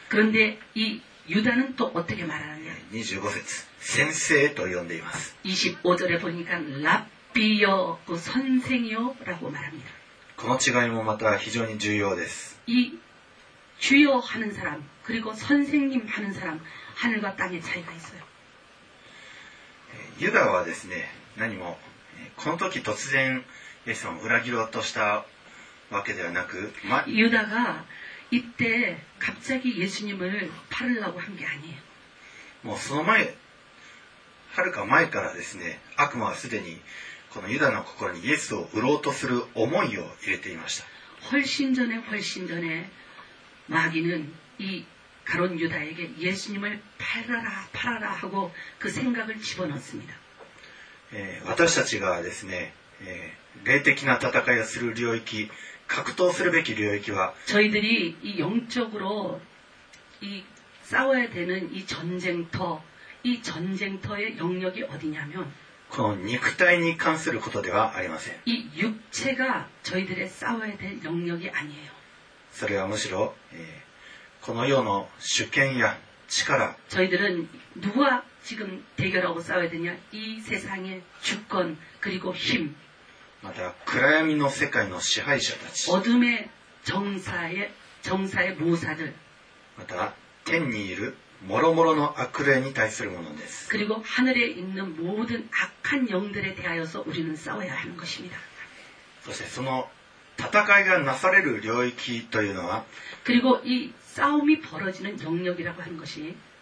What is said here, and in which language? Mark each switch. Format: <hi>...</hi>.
<ko>그런데이유다는또어떻게말하느냐</ko> <ja>25節、先生と呼んでいます</ja> <ko>25절에보니까라비요그선생요라고말합니다</ko> <ja>この違いもまた非常に重要です。</ja> <ko>이주요하는사람그리고선생님하는사람하늘과땅의차이가있어요。</ko> <ja>ユダはですね、何もこの時突然イエス様を裏切ろうとしたわけではなく、</ja> <ko>ユダが이때갑자기예수님을팔으려고한게아니에요。</ko> <ja>もうその前、はるか前からですね、悪魔はすでにこのユダの心にイエスを売ろうとする思いを入れていました。</ja> <ko>훨씬전에훨씬전에마귀는이가론유다에게예수님을팔아라팔아라하고그생각을집어넣었습니다。</ko> <ja>私たちがですね、霊的な戦いをする領域、格闘するべき領域は、</ja> <ko>저희들이이영적으로이싸워야되는이전쟁터이전쟁터의영역이어디냐면</ko> <ja>この肉体に関することではありません。</ja> <ko>이육체가저희들의싸워야될영역이아니에요。</ko> <ja>それはむしろ、この世の主権や力。</ja> <ko>저희들은누구와지금대결하고싸워야되냐이세상의주권그리고힘。</ko> <ja>また暗闇の世界の支配者たち。</ja> <ko>어둠의정사의정사의모사들。</ko> <ja>また天にいる。もろもろの悪霊に対するものです。</ja> <ko>그리고하늘에있는모든악한영들에대하여서우리는싸워야하는것입니다。</ko> <ja>そしてその戦いがなされる領域というのは、</ja> <ko>그리고이싸움이벌어지는영역이라고하는것이</ko>